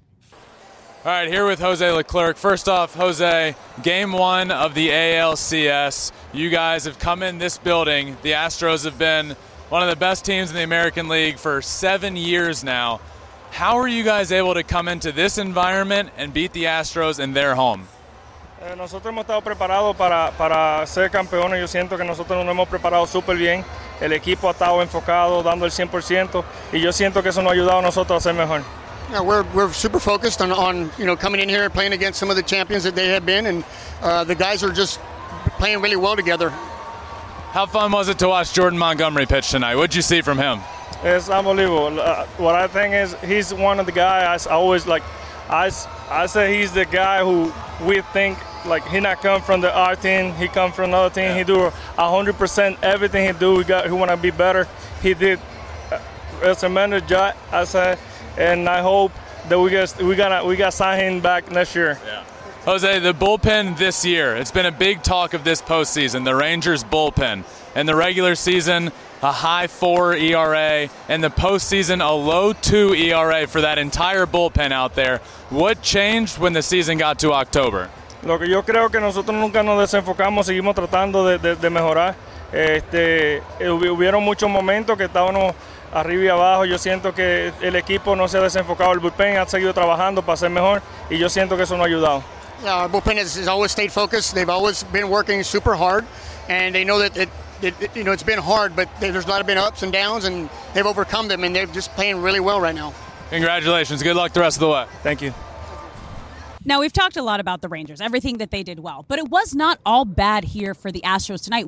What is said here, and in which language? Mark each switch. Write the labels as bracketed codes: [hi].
[en] All right, here with Jose Leclerc. First off, Jose, game one of the ALCS. You guys have come in this building. The Astros have been one of the best teams in the American League for 7 years now. How are you guys able to come into this environment and beat the Astros in their home? [es] Nosotros hemos estado preparados para ser campeones. Yo siento que nosotros nos hemos preparado súper bien. El equipo ha estado enfocado, dando el 100%, y yo siento que eso nos ha ayudado a nosotros a ser mejor. [en] Yeah, we're super focused on you know coming in here and playing against some of the champions that they have been, and the guys are just playing really well together. How fun was it to watch Jordan Montgomery pitch tonight? What did you see from him? It's unbelievable. What I think is he's one of the guys I always like. I say he's the guy who we think, like, he not come from the R team. He come from another team. Yeah. He do 100% everything he do. He want to be better. He did a tremendous job, I say. And I hope that we got sign him back next year. Yeah. Jose, the bullpen this year, it's been a big talk of this postseason, the Rangers' bullpen. In the regular season, a high 4 ERA. In the postseason, a low 2 ERA for that entire bullpen out there. What changed when the season got to October? [es] Lo que yo creo que nosotros nunca nos desenfocamos, seguimos tratando de mejorar. Hubieron muchos momentos que estábamos arriba y abajo. Yo siento que el equipo no se ha desenfocado. El bullpen ha seguido trabajando para ser mejor, y yo siento que eso nos ha ayudado. [en] Our bullpen has always stayed focused. They've always been working super hard, and they know that it's been hard, but there's a lot of been ups and downs, and they've overcome them, and they're just playing really well right now. Congratulations. Good luck the rest of the way. Thank you. Now, we've talked a lot about the Rangers, everything that they did well. But it was not all bad here for the Astros tonight.